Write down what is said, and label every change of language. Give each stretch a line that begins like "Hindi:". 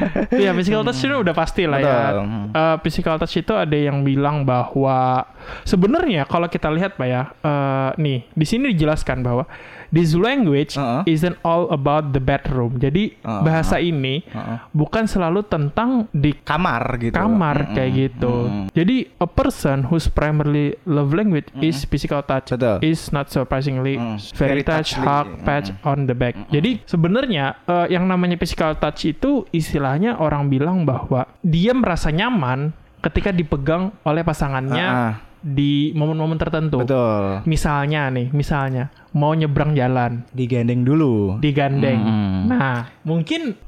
Indonesian: Ya, physical touch itu udah pasti lah ya. Physical touch itu ada yang bilang bahwa sebenarnya kalau kita lihat, Pak ya, di sini dijelaskan bahwa
English: this language isn't all about the bedroom.
Indonesian: Jadi bahasa ini bukan selalu tentang di kamar gitu. Jadi
English: a person whose primarily love language is physical touch is not surprisingly very touch, hug, pat on the back.
Indonesian: Jadi sebenarnya yang namanya physical touch itu istilahnya orang bilang bahwa dia merasa nyaman ketika dipegang oleh pasangannya. di momen-momen tertentu. Betul. Misalnya nih, misalnya mau nyebrang jalan, digandeng dulu. Digandeng. Hmm. Nah, mungkin